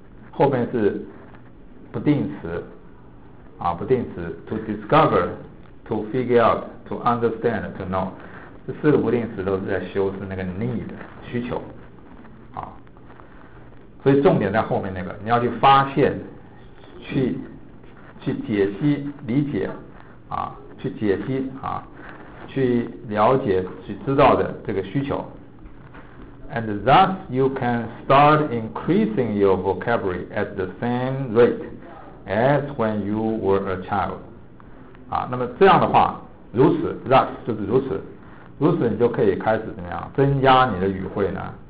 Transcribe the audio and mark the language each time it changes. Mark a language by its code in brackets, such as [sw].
[zh] 后面是不定词啊，不定词 [en] to discover, to figure out, to understand, to know， [zh] 这四个不定词都是在修饰那个 need 需求啊。所以重点在后面那个，你要去发现，去解析理解啊，去解析啊，去了解去知道的这个需求。 [en] And thus you can start increasing your vocabulary at the same rate as when you were a child. [zh] 啊，那么这样的话，如此 ， [en] thus [zh] 就是如此，如此你就可以开始怎么样增加你的语汇呢？